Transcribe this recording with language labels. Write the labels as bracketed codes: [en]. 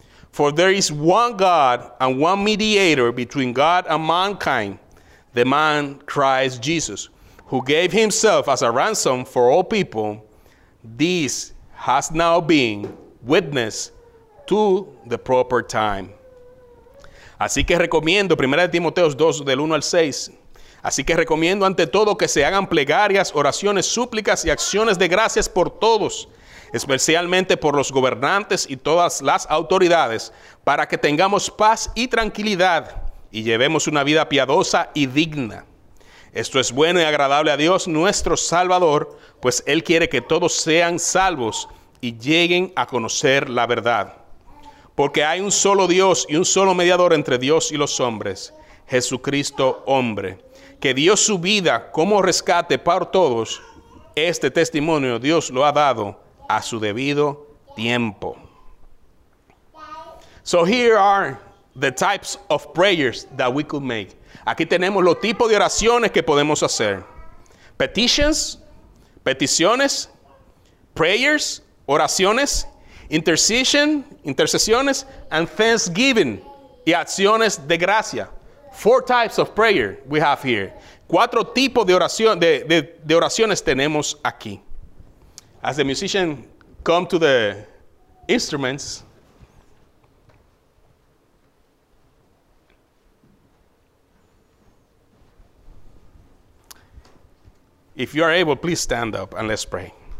[en] For there is one God and one mediator between God and mankind, the man Christ Jesus, who gave himself as a ransom for all people. This has now been witnessed to the proper time. [es] Así que recomiendo, 1 Timoteo 2, del 1 al 6. Así que recomiendo ante todo que se hagan plegarias, oraciones, súplicas y acciones de gracias por todos, especialmente por los gobernantes y todas las autoridades, para que tengamos paz y tranquilidad y llevemos una vida piadosa y digna. Esto es bueno y agradable a Dios, nuestro Salvador, pues Él quiere que todos sean salvos y lleguen a conocer la verdad. Porque hay un solo Dios y un solo mediador entre Dios y los hombres, Jesucristo hombre, que dio su vida como rescate para todos. Este testimonio Dios lo ha dado a su debido tiempo. [en] So here are the types of prayers that we could make. [es] Aquí tenemos los tipos de oraciones que podemos hacer. Petitions, peticiones, prayers, oraciones, intercession, intercesiones, and thanksgiving, y acciones de gracia. [en] Four types of prayer we have here. [es] Cuatro tipos de oración, de oraciones tenemos aquí. [en] As the musician come to the instruments, if you are able, please stand up and let's pray.